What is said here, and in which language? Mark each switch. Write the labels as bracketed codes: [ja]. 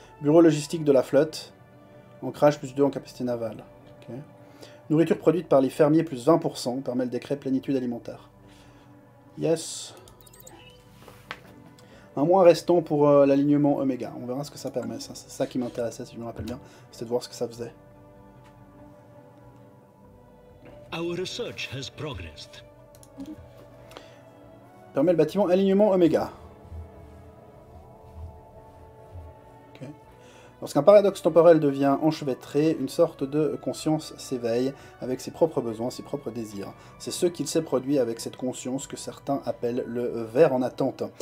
[fr] Bureau logistique de la flotte. Ancrage plus 2 en capacité navale. Okay. Nourriture produite par les fermiers plus 20% permet le décret plénitude alimentaire. Yes. Un mois restant pour l'alignement Oméga. On verra ce que ça permet. Ça, c'est ça qui m'intéressait, si je me rappelle bien. C'était de voir ce que ça faisait. [en] Our research has progressed. [fr] Permet le bâtiment alignement Oméga. Lorsqu'un paradoxe temporel devient enchevêtré, une sorte de conscience s'éveille avec ses propres besoins, ses propres désirs. C'est ce qu'il s'est produit avec cette conscience que certains appellent le ver en attente.